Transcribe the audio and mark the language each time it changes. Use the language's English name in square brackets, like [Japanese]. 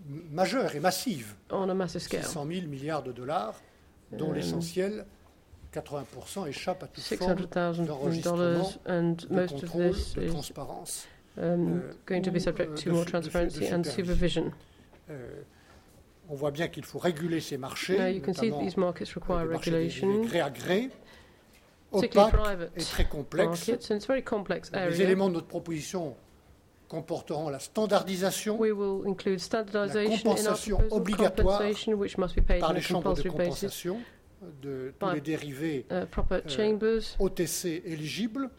[French] majeurs et massifs, 600 000 milliards de dollars, dont l'essentiel 80% échappe à toute forme d'enregistrement, de contrôle, de transparence, [English] going to be subject to more transparency and supervision. [French] On voit bien qu'il faut réguler ces marchés, notamment les marchés gré à gré, opaques et très complexes. Les éléments de notre proposition comporteront la standardisation, la compensation obligatoire par les chambres de compensation de tous les dérivés OTC éligibles,